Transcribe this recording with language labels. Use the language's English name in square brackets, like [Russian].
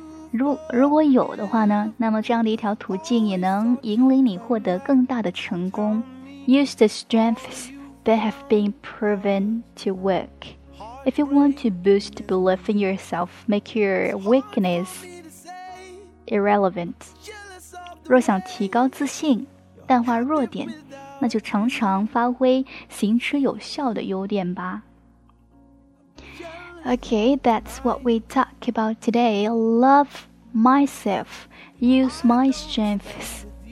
[Chinese] 如果有的话呢，那么这样的一条途径也能引领你获得更大的成功。 [English] Use the strengths that have been proven to work. If you want to boost belief in yourself, make your weakness irrelevant. [Chinese] 若想提高自信，淡化弱点，那就常常发挥行之有效的优点吧。 [English] Okay, that's what we talk about today. Love myself. Use my strengths.